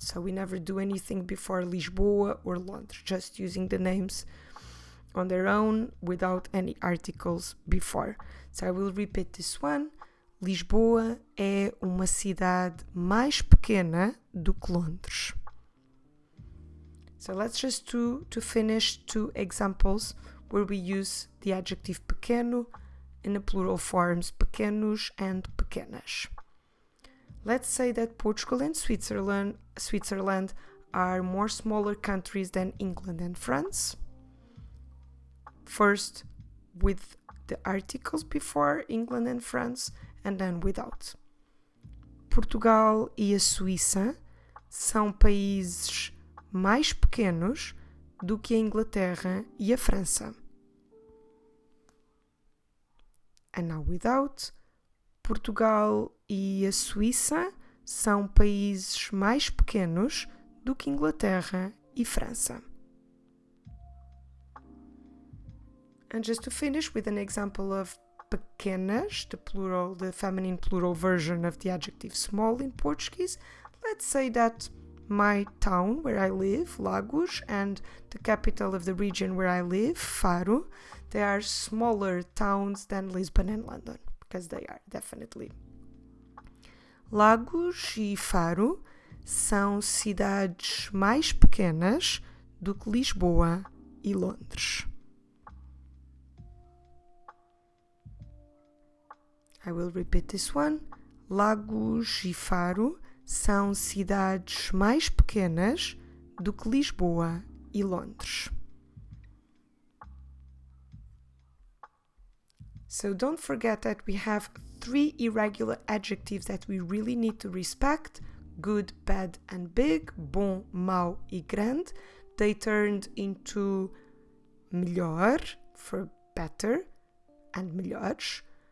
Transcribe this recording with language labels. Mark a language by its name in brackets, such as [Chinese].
[English] So we never do anything before Lisboa or Londres, just using the names on their own without any articles before. So I will repeat this one. [Portuguese] Lisboa é uma cidade mais pequena do que Londres. [English] So let's just do to finish 2 examples where we use the adjective pequeno in the plural forms pequenos and pequenas. Let's say that Portugal and Switzerland are more smaller countries than England and France. First with the articles before England and France, and then without. [Portuguese] Portugal e a Suíça são países mais pequenos do que a Inglaterra e a França. [English] And now without. [Portuguese] Portugal e a Suíça são países mais pequenos do que Inglaterra e França. [English] And just to finish with an example of pequenas, the plural, the feminine plural version of the adjective small in Portuguese, let's say that my town where I live, Lagos, and the capital of the region where I live, Faro, they are smaller towns than Lisbon and London, because they are definitely. [Portuguese] Lagos e Faro são cidades mais pequenas do que Lisboa e Londres. [English] I will repeat this one. [Portuguese] Lagos e Faro são cidades mais pequenas do que Lisboa e Londres. [English] So don't forget that we have three irregular adjectives that we really need to respect. Good, bad and big. [Portuguese] Bom, mau e grande. [English] They turned into melhor for better and melhores.